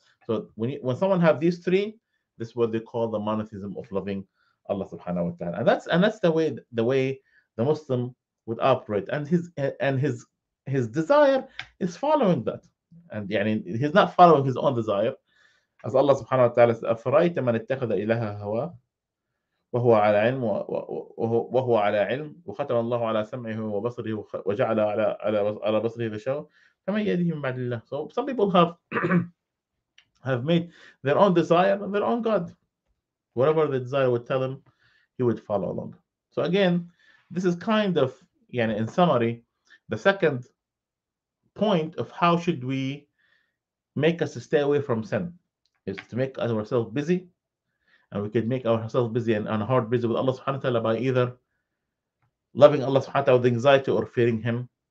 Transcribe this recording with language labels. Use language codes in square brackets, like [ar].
[en] So when someone have these three, this is what they call the monotheism of loving Allah subhanahu wa ta'ala. And that's the way the Muslim would operate. And his desire is following that. And yani, he's not following his own desire. [ar] As Allah subhanahu wa ta'ala says, أَفْرَأَيْتَ مَنِ اتَّخَذَ إِلَهَ هَوَى وَهُوَ عَلَى عِلْمٍ وَهُوَ عَلَى عِلْمٍ وَخَتَمَ اللَّهُ عَلَى سَمْعِهِ وَبَصْرِهِ وَجَعَلَ عَلَى بَصْرِهِ غِشَاوَةً فَمَنْ يَهْدِيهِ مِنْ بَعْدِ اللَّهِ. [en] So some people have made their own desire their own God. Whatever the desire would tell him, he would follow along. So again, this is kind of, yani, in summary, the second point of how should we make us stay away from sin is to make ourselves busy. And we could make ourselves busy and heart busy with Allah subhanahu wa ta'ala by either loving Allah subhanahu wa ta'ala with anxiety or fearing Him.